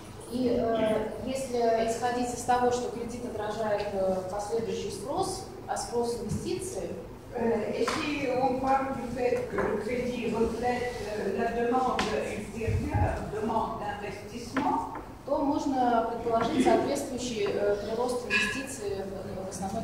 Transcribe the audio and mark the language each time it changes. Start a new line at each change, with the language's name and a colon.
Russian: И если исходить из того, что кредит отражает последующий спрос, а спрос инвестиций,
French: Si on parle du fait que le crédit reflète la demande ultérieure, demande d'investissement,
Russian: то можно предположить соответствующий прирост инвестиций в основной